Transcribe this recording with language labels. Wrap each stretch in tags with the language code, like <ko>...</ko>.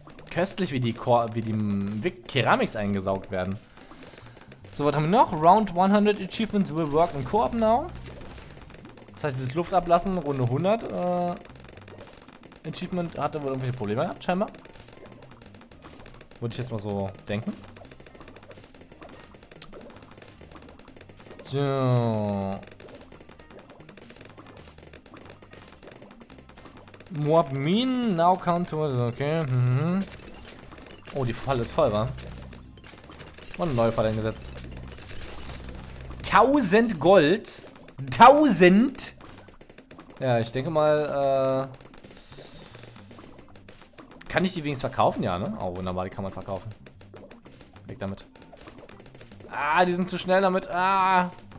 <de>Köstlich, wie die Keramiks eingesaugt werden. So, was haben wir noch?</de> <en>Round 100 Achievements will work in Koop now.</en> <de>Das heißt, dieses Luftablassen, Runde 100 Achievement hatte wohl irgendwelche Probleme gehabt, scheinbar. Würde ich jetzt mal so denken. So.</de> <en>Moab Min, now come to us, okay.</en> <de>Mhm. Oh, die Falle ist voll, wa? Und eine neue Falle eingesetzt. 1000 Gold. 1000. Ja, ich denke mal, kann ich die wenigstens verkaufen? Ja, ne? Oh, wunderbar, die kann man verkaufen. Weg damit. Ah, die sind zu schnell damit. Ah.</de>